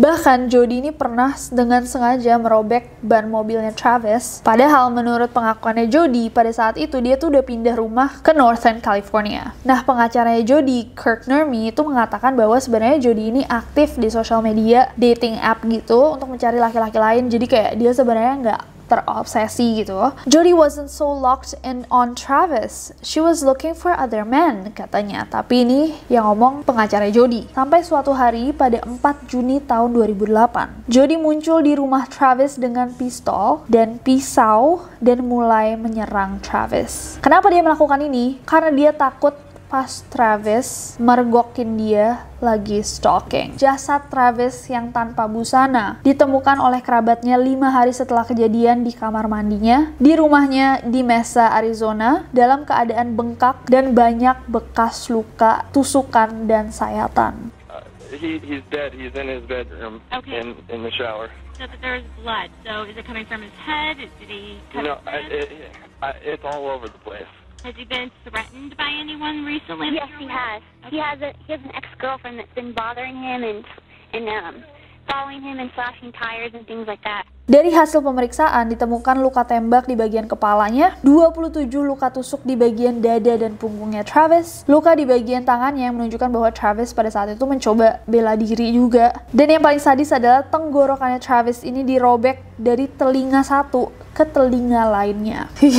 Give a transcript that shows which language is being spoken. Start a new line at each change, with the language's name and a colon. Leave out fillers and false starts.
Indonesian: Bahkan Jodie ini pernah dengan sengaja merobek ban mobilnya Travis. Padahal menurut pengakuannya Jodie, pada saat itu dia tuh udah pindah rumah ke Northern California. Nah, pengacaranya Jodie, Kirk Nurmi, itu mengatakan bahwa sebenarnya Jodie ini aktif di social media, dating app gitu, untuk mencari laki-laki lain. Jadi kayak dia sebenarnya nggak terobsesi gitu.
English: Jodie wasn't so locked in on Travis. She was looking for other men,
Indonesian: katanya. Tapi ini yang ngomong pengacara Jodie. Sampai suatu hari pada 4 Juni tahun 2008, Jodie muncul di rumah Travis dengan pistol dan pisau dan mulai menyerang Travis. Kenapa dia melakukan ini? Karena dia takut pas Travis mergokin dia lagi stalking. Jasad Travis yang tanpa busana ditemukan oleh kerabatnya 5 hari setelah kejadian di kamar mandinya di rumahnya di Mesa, Arizona, dalam keadaan bengkak dan banyak bekas luka, tusukan dan sayatan.
English: He's dead. He's in his bedroom. Okay. In the shower. So there's blood. So is it coming from his head? Did he cut No, it's all over the place. Has he been threatened by anyone recently? Yes, he has. Okay. He has an ex-girlfriend that's been bothering him and following him and slashing tires and things like that.
Indonesian: Dari hasil pemeriksaan, ditemukan luka tembak di bagian kepalanya, 27 luka tusuk di bagian dada dan punggungnya Travis, luka di bagian tangannya yang menunjukkan bahwa Travis pada saat itu mencoba bela diri juga. Dan yang paling sadis adalah tenggorokannya Travis ini dirobek dari telinga satu ke telinga lainnya.